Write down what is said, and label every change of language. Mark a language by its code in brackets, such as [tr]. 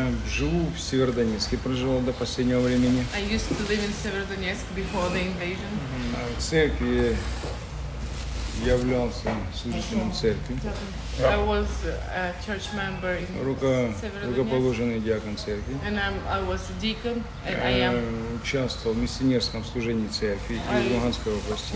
[uk] Живу в Сєвєродонецьку, проживав до останнього времени. [en] I used to live in Сєвєродонецьк before the invasion. [uk] В церкві являвся служителем церкви. [en] I was a church member in Сєвєродонецьк. [uk] Рукоположений діакон церкви. [en] And I was a deacon, and I am. [uk] Участвував в місіонерському служенні церкви в Луганській області.